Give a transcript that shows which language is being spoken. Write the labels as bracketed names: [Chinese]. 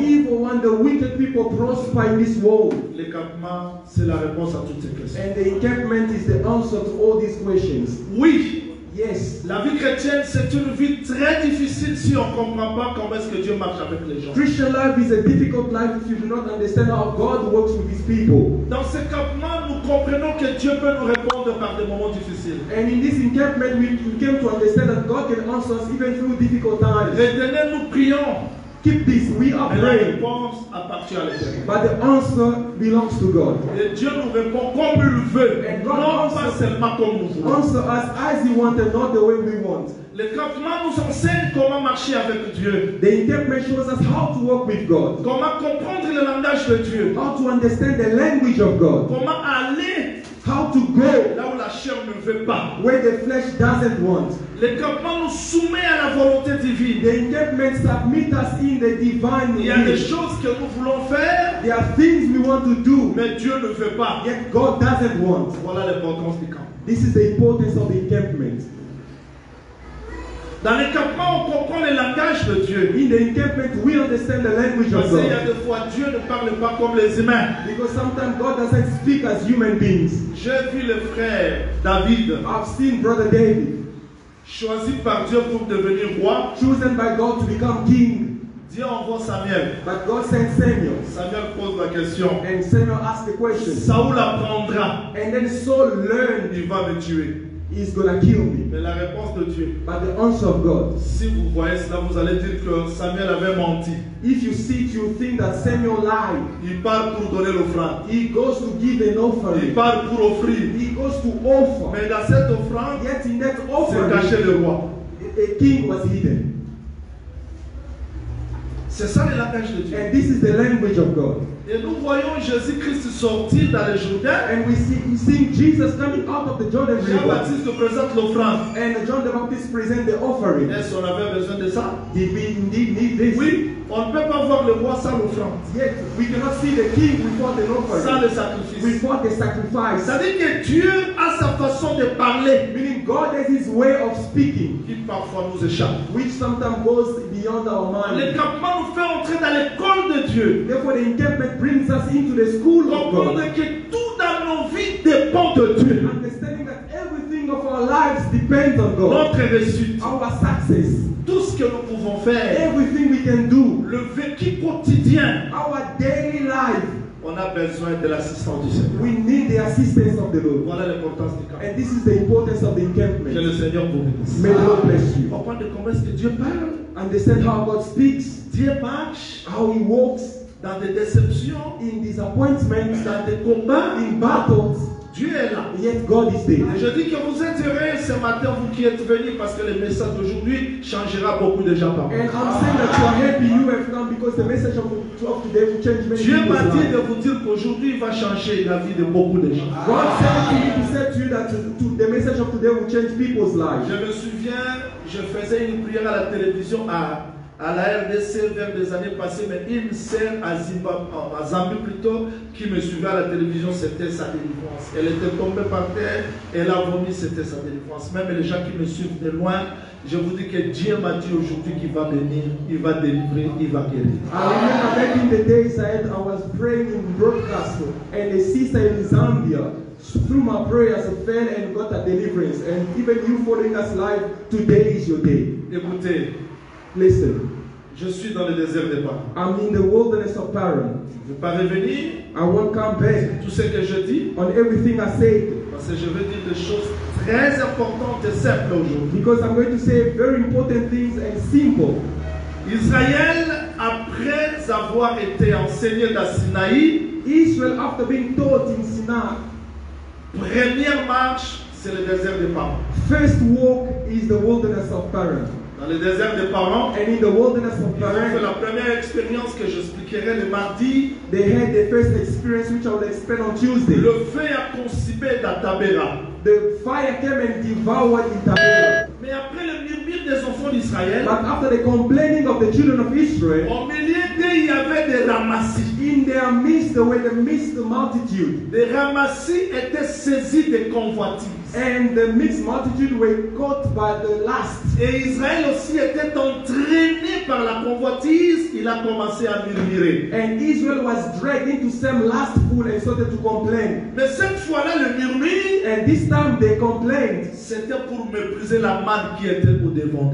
[English] Why evil and the wicked people prosper in this world? [French] L'écapement, c'est la réponse à toutes ces questions. [English] And the encampment is the answer to all these questions. [French] Oui. [English] Yes. [French] La vie chrétienne, c'est une vie très difficile si on ne comprend pas comment est-ce que Dieu marche avec les gens. [English] Christian life is a difficult life if you do not understand how God works with His people. [French] Dans ce campement, nous comprenons que Dieu peut nous répondre par des moments difficiles. [English] And in this encampment, we came to understand that God can answer us even through difficult times. [French] Retenez, nous prions. [English] Keep this, we are praying. [French] La réponse appartient à l'Éternel. [English] But the answer belongs to God. [French] Et Dieu nous répond comme il veut. [English] And God [French] non pas seulement comme nous voulons. [English] Answer us as He wanted, not the way we want. [French] Le campement nous enseigne comment marcher avec Dieu. [English] The interpretation shows us how to work with God. [French] Comment comprendre le langage de Dieu. [English] How to understand the language of God. [French] Comment aller. [English] How to go. [French] Là où la chair ne veut pas. [English] Where the flesh doesn't want. [French] Le campement nous soumet à la volonté divine. [English] The encampment submits us in the divine will. [French] Il y a des choses que nous voulons faire. [English] There are things we want to do. [French] Mais Dieu ne veut pas. [English] Yet God doesn't want. [French] Voilà l'importance du camp. [English] This is the importance of the encampment. [French] Dans le campement, on comprend le langage de Dieu. [English] In the encampment, we understand the language of God. [French] Parce qu'il y a des fois, Dieu ne parle pas comme les humains. [English] Because sometimes God doesn't speak as human beings. [French] J'ai vu le frère David. [English] I've seen brother David. [French] Choisi par Dieu pour devenir roi. [English] Chosen by God to become king. [French] Dieu envoie Samuel. [English] But God sent Samuel. [French] Samuel pose la question. [English] And Samuel asks the question. [French] Saul apprendra. [English] And then Saul learned. [French] Il va me tuer. [English] He's gonna kill me. [French] Mais la réponse de Dieu. [English] But the answer of God. [French] Si vous voyez cela, vous allez dire que Samuel avait menti. [English] If you see it, you think that Samuel lied. [French] Il part pour donner l'offrande. [English] He goes to give an offering. [French] Il part pour offrir. [English] He goes to offer. [French] Mais dans cette offrande, [English] yet in that offering, [French] c'est caché le roi. [English] A king was hidden. [French] C'est ça le langage de Dieu. [English] And this is the language of God. [French] Et nous voyons Jésus-Christ sortir dans le Jourdain. [English] And we see Jesus coming out of the Jordan River. [French] Jean-Baptiste présente l'offrande. [English] And John the Baptist present the offering. [French] Est-ce qu'on avait besoin de ça? [English] Did we indeed need this? [French] Oui. On ne peut pas voir le roi sans l'offrande. [English] Yet we cannot see the king without the offering. [French] Sans le sacrifice. [English] Without the sacrifice. [French] C'est-à-dire que Dieu a sa façon de parler. [English] Meaning God has His way of speaking. [French] Qui parfois nous échappe. [English] Which sometimes goes beyond our mind. [French] Le campement nous fait entrer dans l'école de Dieu. [English] Therefore the encampment brings us into the school of God. [French] Comprendre que tout dans nos vies dépend de Dieu. [English] Understanding that everything of our lives depends on God. [French] Notre réussite. [English] Our success. [French] Tout ce que nous pouvons faire. [English] Everything we can do. [French] Le vécu quotidien. [English] Our daily life. [French] On a besoin de l'assistance du Seigneur. [English] We need the assistance of the Lord. [French] Voilà l'importance du camp. [English] And this is the importance of the encampment. [French] Que le Seigneur vous bénisse. [English] May the Lord bless you. [French] On parle de comment est-ce que Dieu parle. [English] Understand how God speaks. [French] Dieu marche. [English] How He walks. [French] Dans des déceptions, [English] in disappointments, [French] dans des combats, [English] in battles, [French] Dieu est là. [English] Yet God is there. [French] Je dis que vous êtes heureux ce matin, vous qui êtes venus, parce que le message d'aujourd'hui changera beaucoup de gens par vous. [English] And I'm saying that you are happy, you have come, because the message of today will change many people's lives. [French] Dieu m'a dit de vous dire qu'aujourd'hui il va changer la vie de beaucoup de gens. [English] God said to you that the message of today will change people's lives. [French] Je me souviens, je faisais une prière à la télévision à la RDC vers des années passées, mais une sœur à Zambie plutôt, qui me suivait à la télévision, c'était sa délivrance. Elle était tombée par terre, elle a vomi, c'était sa délivrance. Même les gens qui me suivent de loin, je vous dis que Dieu m'a dit aujourd'hui qu'il va venir, il va délivrer, il va guérir. [English] Back in the days ahead, I was praying in broadcast, and a sister in Zambia, through my prayers, fell and got a deliverance. And even you following us live, today is your day. [French] Écoutez. [English] Listen. [French] Je suis dans le désert de Paris. [English] I'm in the wilderness of Paran. [French] Je veux pas revenir. [English] I won't come back. [French] Tout ce que je dis. [English] On everything I say. [French] Parce que je veux dire des choses très importantes et simples aujourd'hui. [English] Because I'm going to say very important things and simple. [French] Israël, après avoir été enseigné dans Sinaï. [English] Israel, after being taught in Sinaï. [French] Première marche, c'est le désert de Paran. [English] First walk is the wilderness of Paran. [French] Dans le désert des parents, [English] and in the wilderness of Paran, [French] la première expérience que j'expliquerai le mardi, [English] they had the first experience which I will explain on Tuesday. [French] Le feu a consumé la tabéra. [English] The fire came and devoured the tabéra. [French] Mais après le murmure plainte des enfants d'Israël, [English] but after the complaining of the children of Israel, [French] au milieu d'eux il y avait des ramassis. [English] In their midst, there were the mixed multitude. [French] Les ramassis étaient saisis de convoitises. [English] And the mixed multitude were caught by the lust. [French] Et Israël aussi était entraîné par la convoitise. Il a commencé à murmurer. [English] And Israel was dragged into some lustful and started to complain. [French] Mais cette fois-là, le murmure. [English] And this time, they complained. [French] C'était pour mépriser la manne qui était au devant.